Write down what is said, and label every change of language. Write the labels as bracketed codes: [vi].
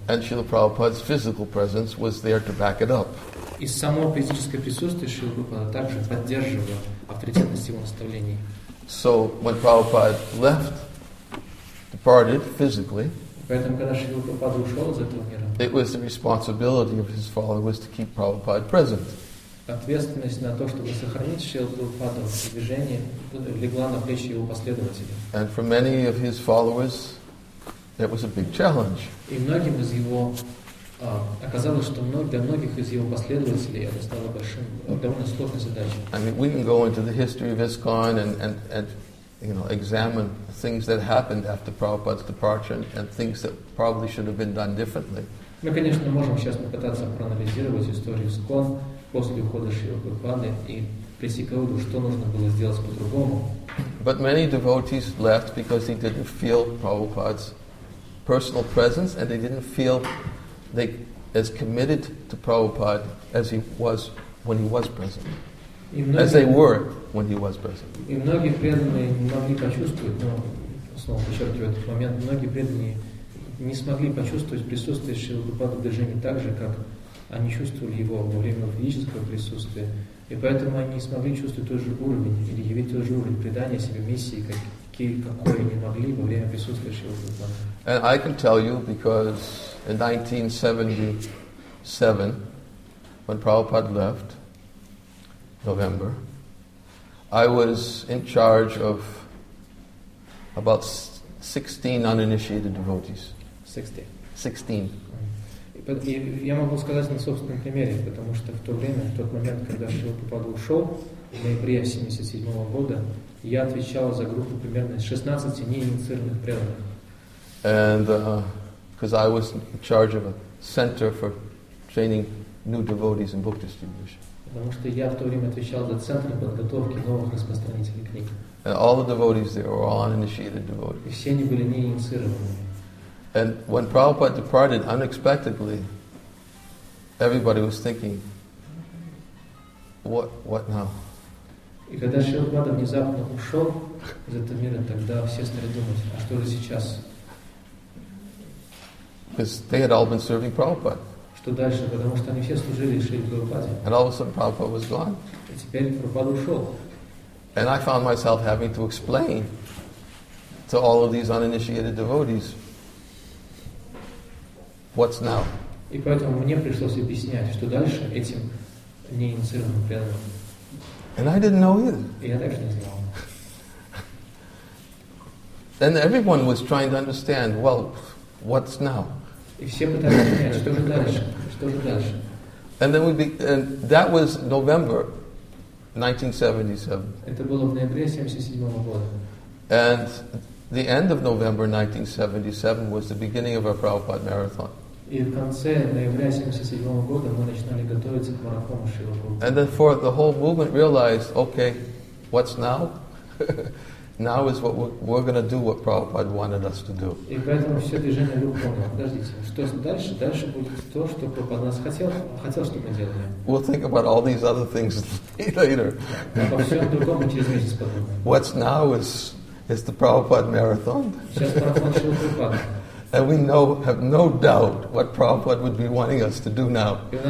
[en] And Srila Prabhupada's physical presence was there to back it up. [ru] И само физическое присутствие Шрилы Прабхупады также поддерживало авторитетность его наставлений. [en] So, when Prabhupada left, departed physically, [ru] поэтому, когда Шрила Прабхупада ушел из этого мира, [en] it was the responsibility of his followers to keep Prabhupada present. [ru] Ответственность на то, чтобы сохранить Шрилу Прабхупаду в движении, легла на плечи его последователей. [en] And for many of his followers, it was a big challenge. [ru] И многим из его оказалось, что для многих из его последователей это стало большим, довольно сложной задачей. [en] I mean, we can go into the history of ISKCON and you know, examine things that happened after Prabhupada's departure and things that probably should have been done differently. [ru] Мы, конечно, можем сейчас попытаться проанализировать историю ISKCON после ухода Шрилы Прабхупады и прийти к выводу, что нужно было сделать по-другому. [en] But many devotees left because they didn't feel Prabhupada's personal presence and they didn't feel they as committed to Prabhupada as he was when he was present. [ru] Многие, [en] as they were when he was present. [ru] И многие преданные не могли почувствовать, но снова подчеркиваю этот момент, многие преданные не смогли почувствовать присутствие Шрилы Прабхупады в движении так же, как они чувствовали его во время физического присутствия, и поэтому они не смогли чувствовать тот же уровень или явить тот же уровень предания себе миссии, какой они могли во время присутствия Шрилы Прабхупады. [en] And I can tell you, because in 1977, when Prabhupada left, November, I was in charge of about 16 uninitiated devotees. 16. 16. [ru] Я могу сказать на собственном примере, потому что в то время, в тот момент, когда Шрила Прабхупада ушел, в ноябре 1977 года, я отвечал за группу примерно 16 неинициированных преданных. [en] And because I was in charge of a center for training new devotees in book distribution. [ru] Потому что я в то время отвечал за центр подготовки новых распространителей книг. [en] And all the devotees there were all uninitiated devotees. [ru] И все они были неинициированными. [en] And when Prabhupada departed unexpectedly, everybody was thinking, what now? [ru] И когда Шрила Прабхупада внезапно ушел из этого мира, тогда все стали думать, а что же сейчас? [en] Because they had all been serving Prabhupada. [ru] Что дальше? Потому что они все служили Шриле Прабхупаде. [en] And all of a sudden Prabhupada was gone. [ru] И теперь Прабхупада ушел. [en] And I found myself having to explain to all of these uninitiated devotees, what's now? [ru] И поэтому мне пришлось объяснять, что дальше этим неинициированным преданным. [en] And I didn't know either. [ru] Я даже не знал. [en] And everyone was trying to understand, well, what's now? [ru] И все пытались понять, что же дальше, что же дальше. [en] And then and that was November 1977. [ru] Это было в ноябре 1977 года. [en] And the end of November 1977 was the beginning of our Prabhupada marathon. [ru] И в конце ноября 1977 года мы начинали готовиться к марафону Шрилы Прабхупады. [en] And then for the whole movement realized, okay, what's now? Now is what we're going to do what Prabhupada wanted us to do. [ru] И поэтому все движение было понятно. Подождите, что дальше? Дальше будет то, что Прабхупада нас хотел, чтобы мы делали. [en] We'll think about all these other things later. [ru] Обо всем другом мы через месяц подумаем. [en] What's now is the Prabhupada marathon. [ru] Сейчас марафон Шрилы Прабхупады. [en] And we know, have no doubt what Prabhupada would be wanting us to do now.